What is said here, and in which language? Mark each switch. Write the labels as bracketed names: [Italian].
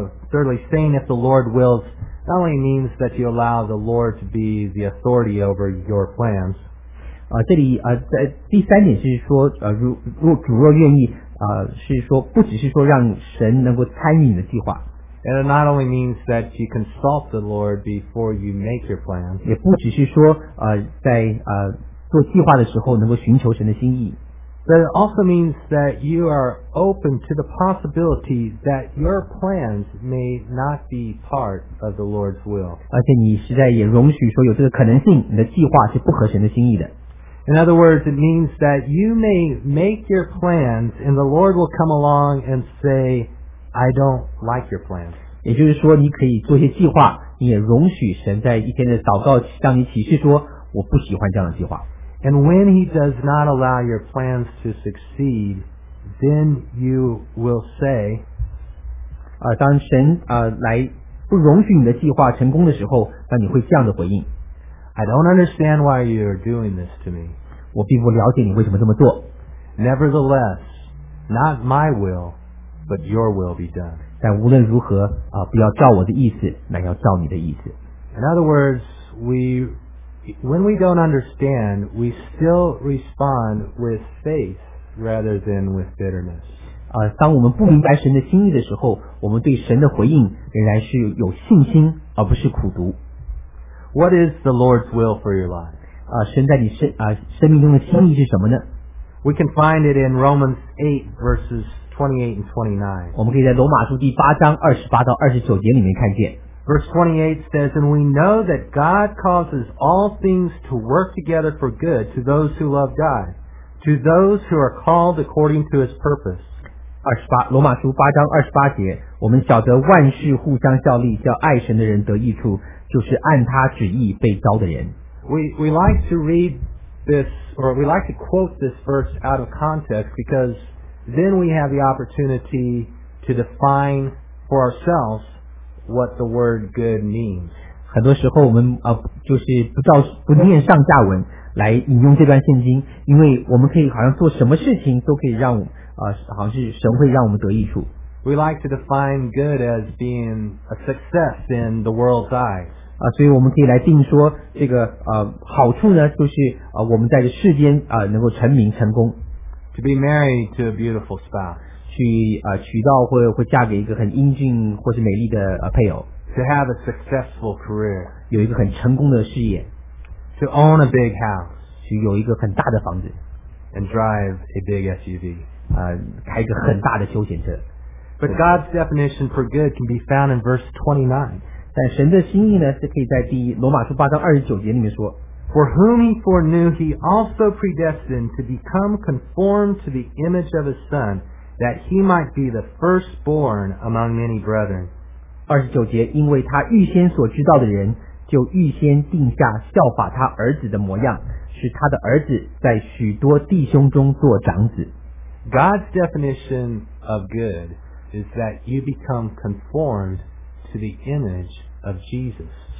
[English] Thirdly, saying if the Lord wills not only means that you allow the Lord to be the authority over your plans. [Chinese] 这里第三点是说如主若愿意是说不只是说让神能够参与你的计划。 [English] And it not only means that you consult the Lord before you make your plans. [Chinese] 也不只是说在做计划的时候能够寻求神的心意。 [English] But it also means that you are open to the possibility that your plans may not be part of the Lord's will. [Chinese] 而且你实在也容许说有这个可能性，你的计划是不合神的心意的。 [English] In other words, it means that you may make your plans and the Lord will come along and say, I don't like your plans. [Chinese] 也就是说你可以做些计划，你也容许神在一天的祷告向你启示说，我不喜欢这样的计划。 [English] And when he does not allow your plans to succeed, then you will say, [Chinese] 当神来不容许你的计划成功的时候，那你会这样的回应。 [English] I don't understand why you're doing this to me. [Chinese] 我并不了解你为什么这么做。 [English] Nevertheless, not my will, but your will be done. [Chinese] 但无论如何不要照我的意思，乃要照你的意思。 [English] In other words, when we don't understand, we still respond with faith rather than with bitterness. [Chinese] 当我们不明白神的心意的时候，我们对神的回应仍然是有信心，而不是苦读。 [English] What is the Lord's will for your life? [Chinese] 神在你生命中的心意是什么呢？ [English] We can find it in Romans 8 verses 28 and 29. [Chinese] 我们可以在罗马书第八章二十八到二十九节里面看见。 [English] Verse 28 says, And we know that God causes all things to work together for good to those who love God, to those who are called according to His purpose. [Chinese] 28, 罗马书八章二十八节，我们晓得万事互相效力，叫爱神的人得益处，就是按他旨意被召的人。 [English] We like to read this, or we like to quote this verse out of context, because then we have the opportunity to define for ourselves what the word good means. [Chinese] 很多时候我们就是不念上下文来引用这段圣经，因为我们可以好像做什么事情都可以让好像是神会让我们得益处。 [English] We like to define good as being a success in the world's eyes. [Chinese] 所以我们可以来定说这个好处呢，就是我们在这世间能够成名成功。 [English] To be married to a beautiful spouse. [Chinese] 娶到会嫁给一个很英俊或是美丽的配偶。 [English] To have a successful career. [Chinese] 有一个很成功的事业。 [English] To own a big house. [Chinese] 去有一个很大的房子。 [English] And drive a big SUV. [Chinese] 开一个很大的休闲车。 [English] But God's definition for good can be found in verse 29. [Chinese] 但神的心意呢，是可以在第罗马书八章二十九节里面说。 [English] For whom he foreknew, he also predestined to become conformed to the image of his son. That he might be the firstborn among many brethren. [Chinese] 29节，因为他预先所知道的人，就预先定下效法他儿子的模样，使他的儿子在许多弟兄中做长子。 [English] God's definition of good is that you become conformed to the image of Jesus.